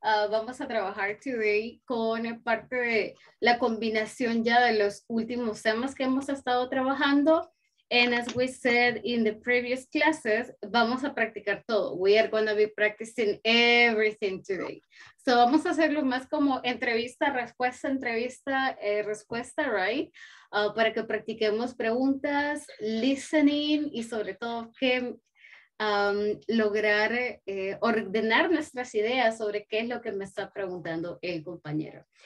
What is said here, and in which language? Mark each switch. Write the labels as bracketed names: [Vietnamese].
[Spanish] Vamos a trabajar today con parte de la combinación ya de los últimos temas que hemos estado trabajando. [English] And as we said in the previous classes, [Spanish] vamos a practicar todo. [English] We are going to be practicing everything today. [Spanish] So vamos a hacerlo más como entrevista, respuesta, right? Para que practiquemos preguntas, listening y sobre todo que lograr ordenar nuestras ideas sobre qué es lo que me está preguntando el compañero.